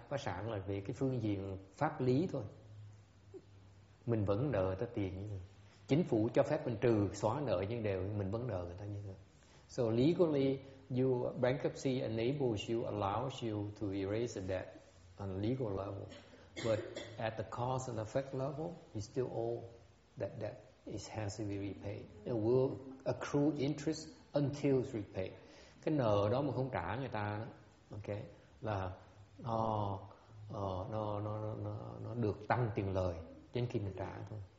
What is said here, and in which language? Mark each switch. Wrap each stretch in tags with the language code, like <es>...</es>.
<vi>Phá sản là về cái phương diện pháp lý thôi. Mình vẫn nợ tới tiền như thế. Chính phủ cho phép mình trừ xóa nợ nhưng đều mình vẫn nợ người ta như thế.</vi> <en>So legally, you bankruptcy allows you to erase the debt on a legal level, but at the cause and effect level, you still owe that debt. It has to be repaid. It will accrue interest until it's repaid.</en> <vi>Cái nợ đó mà không trả người ta, okay, là nó được tăng tiền lời đến khi mình trả thôi.</vi>